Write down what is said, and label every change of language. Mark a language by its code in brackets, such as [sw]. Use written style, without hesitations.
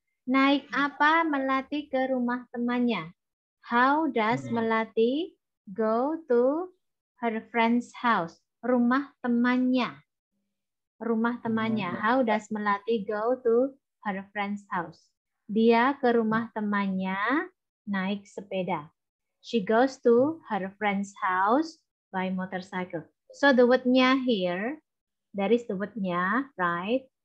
[id] Naik apa Melati ke rumah temannya? [en] How does Melati go to her friend's house? [id] Rumah temannya. Rumah temannya. [en] How does Melati go to her friend's house? [id] Dia ke rumah temannya naik sepeda. [en] She goes to her friend's house by motorcycle. So the word-nya here, that is the word-nya, right?